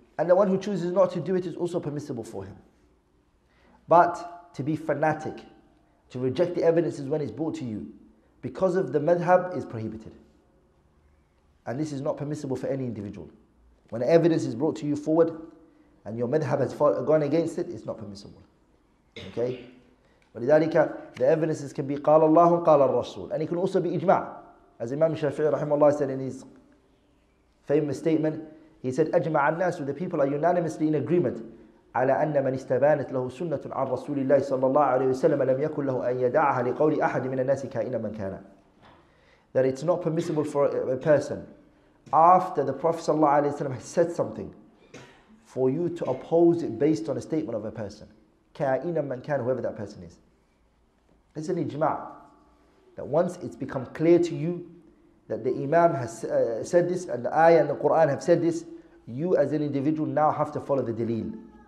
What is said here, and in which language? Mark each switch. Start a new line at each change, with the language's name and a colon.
English: And the one who chooses not to do it is also permissible for him. But to be fanatic, to reject the evidences when it's brought to you, because of the madhab, is prohibited. And this is not permissible for any individual. When evidence is brought to you forward, and your madhab has gone against it, it's not permissible. Okay?
Arabic: ولذلك,
English: the evidences can be
Arabic: قال الله قال الرسول.
English: And it can also be إجماع. As Imam Shafi'i rahimahullah said in his famous statement, he said,
Arabic: أجمع الناس,
English: the people are unanimously in agreement.
Arabic: على أن من استبانت له سنة عن رسول الله صلى الله عليه وسلم لم يكن له أن يدعها لقول أحد من الناس كائنا من كان.
English: That it's not permissible for a person after the Prophet صلى الله عليه وسلم has said something for you to oppose it based on a statement of a person.
Arabic: كائنا من كان,
English: whoever that person is. It's an إجماع. That once it's become clear to you that the Imam has said this and the ayah and the Quran have said this, you as an individual now have to follow the dalil.